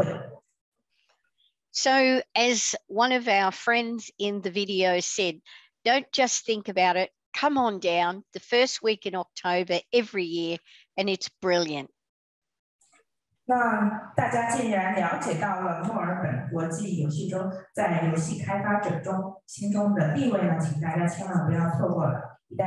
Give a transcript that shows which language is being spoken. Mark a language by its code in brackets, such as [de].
[zh] 在这个游戏中当中呢，我们也有电子竞技峰会啊，以及两场招待会，以及教育峰会。 [en] So as one of our friends in the video said, don't just think about it. Come on down the first week in October every year, and it's brilliant. [zh] 那大家既然了解到了墨尔本国际游戏周在游戏开发者中心中的地位呢，请大家千万不要错过了。